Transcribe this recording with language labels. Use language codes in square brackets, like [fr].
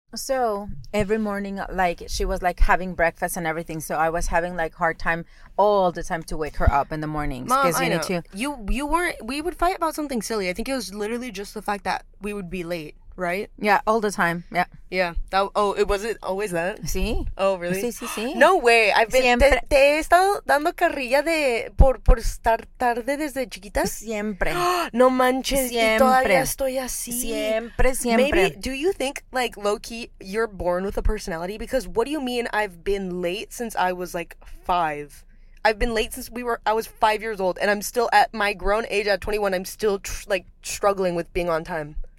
[en] So every morning, like she was like having breakfast and everything. So I was having like hard time all the time to wake her up in the mornings. Mom, because I know. You weren't, we would fight about something silly. I think it was literally just the fact that we would be late. Right? Yeah, all the time. Yeah. Yeah. That, oh, it wasn't always that? [es] Sí. [en] Oh, really? [es] Sí, sí, sí. [en] No way. I've been... [es] ¿Te he estado dando carrilla de por estar tarde desde chiquita? Siempre. No manches. Siempre. Y todavía estoy así. Siempre, siempre. [en] Maybe, do you think, like, low-key, you're born with a personality? Because what do you mean I've been late since I was, like, 5? I've been late since I was 5 years old, and I'm still at my grown age at 21. I'm still, struggling with being on time.